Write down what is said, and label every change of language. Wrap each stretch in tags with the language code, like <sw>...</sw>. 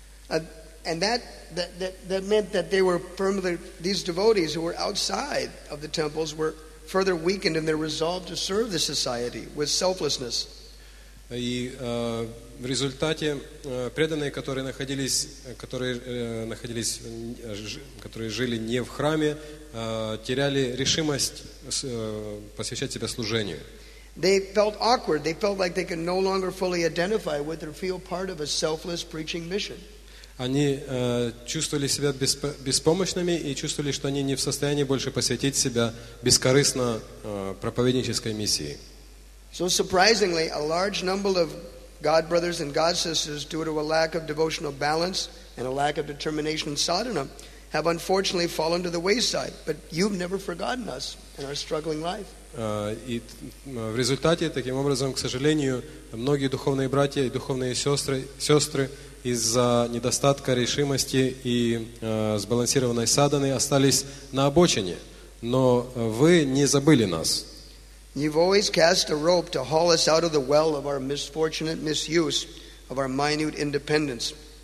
<en>And that meant that they were firmly, these devotees who were outside of the temples were further weakened in their resolve to serve the society with selflessness.</en> <ru>И в результате преданные, которые жили не в храме, теряли решимость посвящать себя служению.</ru> <en>They felt awkward. They felt like they could no longer fully identify with or feel part of a selfless preaching mission.</en> <ru>Они чувствовали себя беспомощными и чувствовали, что они не в состоянии больше посвятить себя бескорыстно проповеднической миссии.</ru> <en>So surprisingly, a large number of God brothers and God sisters, due to a lack of devotional balance and a lack of determination in sadhana, have unfortunately fallen to the wayside. But you've never forgotten us in our struggling life.</en> <ru>И в результате, таким образом, к сожалению, многие духовные братья и духовные сестры из-за недостатка решимости и сбалансированной садханы остались на обочине. Но вы не забыли нас.</ru> <en>You've always cast a rope to haul us out of the well of our misfortunate misuse of our minute independence.</en>